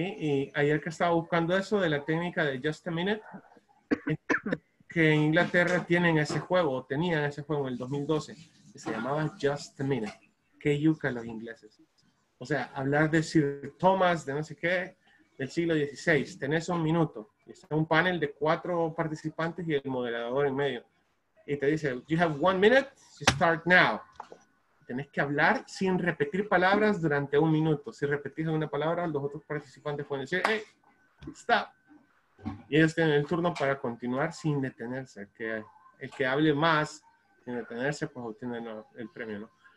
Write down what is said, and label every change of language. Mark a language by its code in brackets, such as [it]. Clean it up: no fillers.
[es] Y ayer que estaba buscando eso de la técnica de Just a Minute, que en Inglaterra tienen ese juego, tenían ese juego en el 2012, que se llamaba Just a Minute. ¡Qué yuca los ingleses! O sea, hablar de Sir Thomas, de no sé qué, del siglo XVI, tenés un minuto. Y está un panel de 4 participantes y el moderador en medio. Y te dice, [en] you have 1 minute, you start now. [es] Tienes que hablar sin repetir palabras durante un minuto. Si repetís una palabra, los otros participantes pueden decir, [en] hey, stop. [es] Y ellos tienen el turno para continuar sin detenerse. Que el que hable más sin detenerse, pues obtiene el premio, ¿no?